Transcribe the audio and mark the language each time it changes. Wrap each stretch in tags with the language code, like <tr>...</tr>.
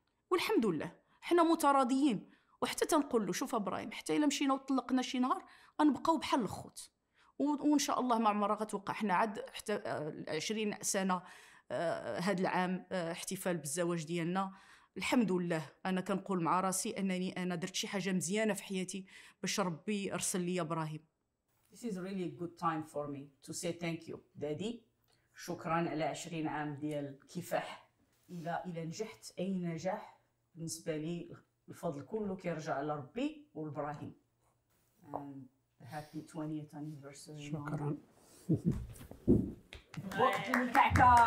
<ar>والحمد لله حنا متراضيين، وحتى تنقول له شوف إبراهيم حتى إلا مشينا وطلقنا شي نهار غنبقاو بحال الخوت، وان شاء الله مع مره غتوقع. حنا عاد حتى 20 سنه هذا العام احتفال بالزواج ديالنا. الحمد لله انا كنقول مع راسي انني انا درت شي حاجه مزيانه في حياتي باش ربي ارسل لي ابراهيم.</ar> <en>This is really a good time for me to say thank you daddy.</en> <ar>شكرا على 20 عام ديال كفاح. الى نجحت اي نجاح بالنسبه لي الفضل كله كيرجع لربي والابراهيم.</ar> <en>Happy 20th anniversary.</en> <ar>شكرا. وقت الكعكة.</ar>